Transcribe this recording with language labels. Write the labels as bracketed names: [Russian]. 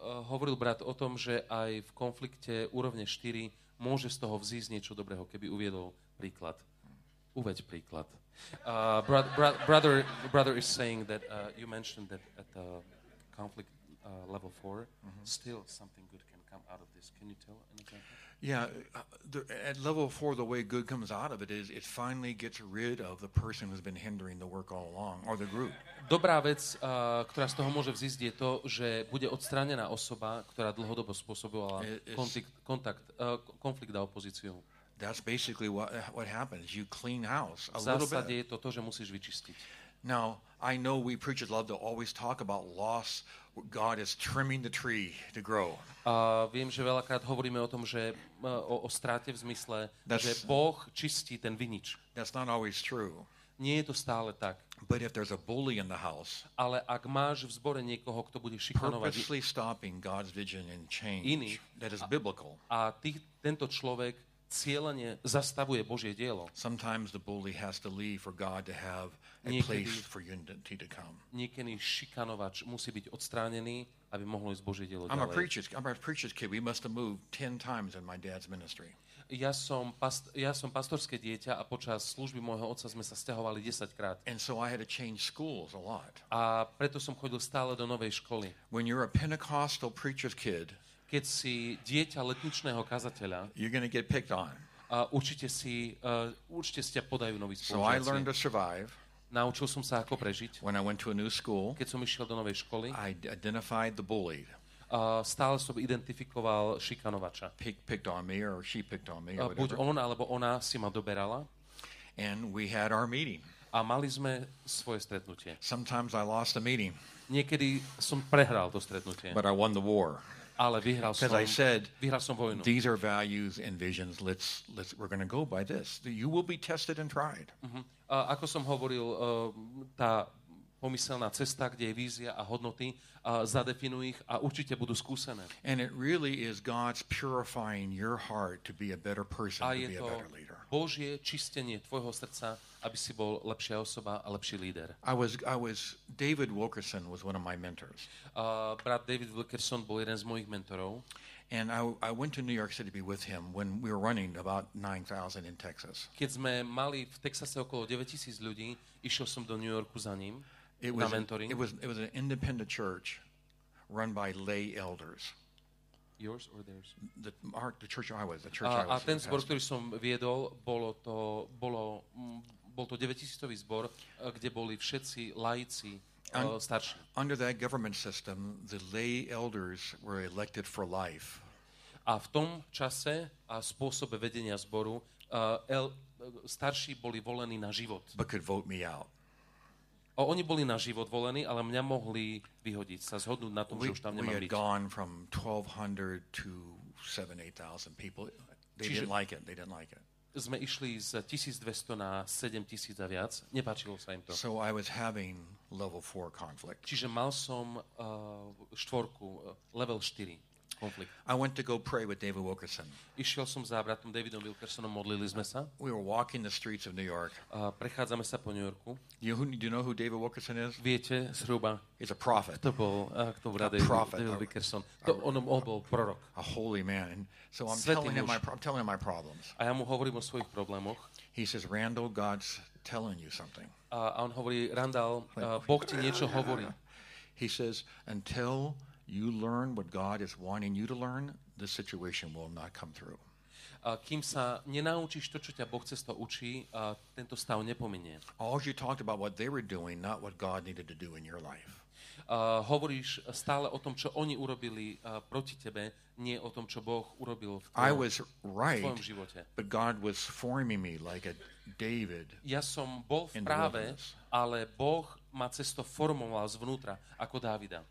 [Slovak] Hovoril brat o tom, že aj v konflikte úrovne 4 môže z toho vzísť niečo dobrého, keby uviedol príklad. Uveď príklad. [English] Brother is saying that you mentioned that at the conflict level 4, mm-hmm. still something good can come out of this. Can you tell an example? Yeah, at level 4, the way good comes out of it is it finally gets rid of the person who's been hindering the work all along, or the group. [Slovak] Dobrá vec, ktorá z toho môže vzísť, je to, že bude odstranená osoba, ktorá dlhodobo spôsobovala konflikt a opozíciu. [English] That's basically what happens. You clean house a little bit. [Slovak] V zásade je to, že musíš vyčistiť. [English] Now, I know we preachers love to always talk about loss. God is trimming the tree to grow. [Slovak] Viem, že veľakrát hovoríme o tom, že o stráte v zmysle, že Boh čistí ten vinič. [English] That's not always true. [Slovak] Nie je to stále tak. [English] But if there's a bully in the house, [Slovak] ale ak máš v zbore niekoho, kto bude šikanovať, [English] purposely stopping God's vision and change, [Slovak] iný, [English] that is biblical. [Slovak] Tento človek cieľene zastavuje Božie dielo. [English] Sometimes the bully has to leave for God to have a [Slovak] niekedy, [English] place for unity to come. [Slovak] Niekedy šikanovač musí byť odstránený, aby mohlo ísť Božie dielo ďalej. [English] I'm a preacher's kid. We must have moved 10 times in my dad's ministry. [Slovak] Ja som pastorské dieťa a počas služby môjho otca sme sa sťahovali 10 krát. [English] And so I had to change schools a lot. [Slovak] A preto som chodil stále do novej školy. [English] When you're a Pentecostal preacher's kid, [Slovak] keď si dieťa letničného kazateľa, [English] you're going to get picked on. [Slovak] Určite ťa podajú noví spolužiaci. [English] So I learned to survive. [Slovak] Naučil som sa, ako prežiť. [English] When I went to a new school, [Slovak] keď som išiel do novej školy, [English] I identified the bully. [Slovak] Stále som identifikoval šikanovača. [English] Picked on me or she picked on me. [Slovak] Buď on alebo ona si ma doberala. [English] And we had our meeting. [Slovak] A mali sme svoje stretnutie. [English] Sometimes I lost the meeting. [Slovak] Niekedy som prehral to stretnutie. [English] But I won the war. [Slovak] Ale vyhral som. [English] Because I said, [Slovak] vyhral som vojnu. [English] These are values and visions. Let's we're going to go by this. You will be tested and tried. [Slovak] Ako som hovoril, tá pomyselná cesta, kde je vízia a hodnoty, zadefinuj ich a určite budú skúsené. [English] And it really is God's purifying your heart to be a better person, to be a better leader. [Slovak] Božie čistenie tvojho srdca, aby si bol lepšia osoba a lepší líder. [English] I was David Wilkerson was one of my mentors. [Slovak] Brat David Wilkerson bol jeden z mojich mentorov. [English] And I went to New York City to be with him when we were running about 9,000 in Texas. [Slovak] Keď sme mali v Texase okolo 9,000 ľudí, išiel som do New Yorku za ním. [English] It was an independent church run by lay elders. Yours or theirs? The church I was. [Slovak] A ten zbor, ktorý som viedol, bol to 9,000-ový zbor, kde boli všetci laici, starší. [English] Under that government system, the lay elders were elected for life. [Slovak] A v tom čase a spôsobe vedenia zboru, starší boli volení na život. [English] But could vote me out. [Slovak] Oni boli na život volení, ale mňa mohli vyhodiť, sa zhodnúť na tom, že už tam nemám byť. [English] We had gone from 1,200 to 7,000, 8,000 people. They didn't like it. [Slovak] sme išli z 1200 na 7000 a viac. Nepáčilo sa im to. [English] So I was having level 4 conflict. [Slovak] Čiže mal som štvorku, level 4 konflikt. [English] I went to go pray with David Wilkerson. [Slovak] Išiel som za bratom Davidom Wilkersonom, modlili sme sa. [English] We were walking the streets of New York. [Slovak] Prechádzame sa po New Yorku. [English] Do you know who David Wilkerson is? [Slovak] Viete, zhruba. [English] He's a prophet. [Slovak] To bol, kto bol David Wilkerson. To on bol prorok. [English] A holy man. And so I'm telling him my problems. [Slovak] A ja mu hovorím o svojich problémoch. [English] He says, Randall, God's telling you something. [Slovak] A on hovorí, Randall, Boh ti niečo hovorí. [English] He says, until you learn what God is wanting you to learn, the situation will not come through. [Slovak] Kým sa nenaučíš to, čo ťa Boh cez to učí, tento stav nepominie. [English] All you talked about what they were doing, not what God needed to do in your life. [Slovak] Hovoríš stále o tom, čo oni urobili proti tebe, nie o tom, čo Boh urobil v tvojom živote. [English] But God was forming me like a David. [Slovak] Ja som bol v práve, ale Boh ma cez to formoval zvnútra ako Dávida.